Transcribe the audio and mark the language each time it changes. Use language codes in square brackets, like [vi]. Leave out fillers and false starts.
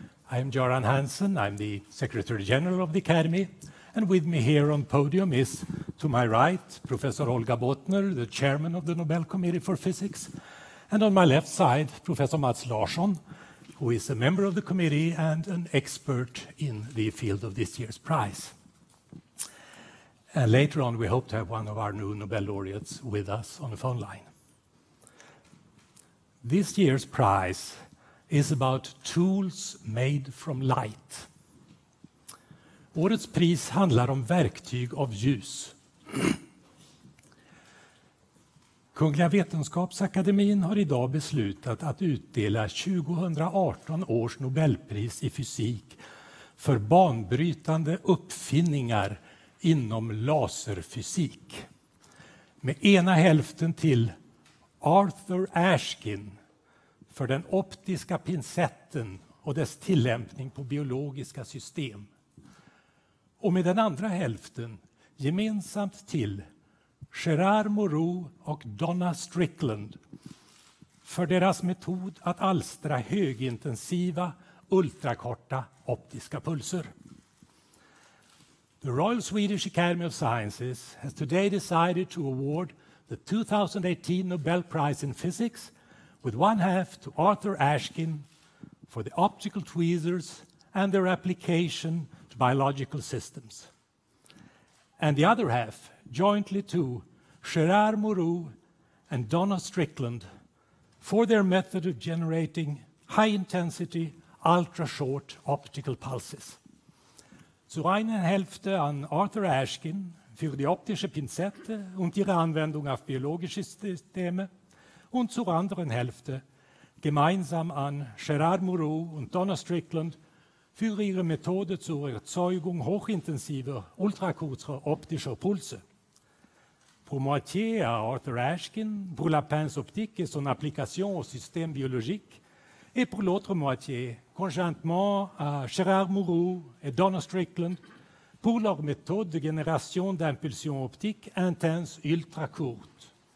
[en] I'm Göran Hansen, I'm the Secretary General of the Academy, and with me here on podium is, to my right, Professor Olga Botner, the Chairman of the Nobel Committee for Physics, and on my left side, Professor Mats Larsson, who is a member of the committee and an expert in the field of this year's prize. And later on, we hope to have one of our new Nobel laureates with us on the phone line. This year's prize is about tools made from light. [sv] Årets pris handlar om verktyg av ljus. Kungliga Vetenskapsakademien har idag beslutat att utdela 2018 års Nobelpris i fysik för banbrytande uppfinningar inom laserfysik. Med ena hälften till Arthur Ashkin för den optiska pincetten och dess tillämpning på biologiska system. Och med den andra hälften gemensamt till Gerard Moreau och Donna Strickland för deras metod att alstra högintensiva, ultrakorta optiska pulser. [en] The Royal Swedish Academy of Sciences has today decided to award the 2018 Nobel Prize in Physics with one half to Arthur Ashkin for the optical tweezers and their application to biological systems. And the other half, jointly to Gerard Moreau and Donna Strickland for their method of generating high-intensity, ultra-short optical pulses. [de] Zu einer Hälfte an Arthur Ashkin für die optische Pinzette und ihre Anwendung auf biologische Systeme und zur anderen Hälfte gemeinsam an Gerard Moreau und Donna Strickland für ihre Methode zur Erzeugung hochintensiver, ultrakurzer optischer Pulse. [fr] Pour moitié à Arthur Ashkin, pour la pince optique et son application au système biologique, et pour l'autre moitié, conjointement à Gerard Moreau et Donna Strickland, pour leur méthode de génération d'impulsions optiques intenses ultra-courtes.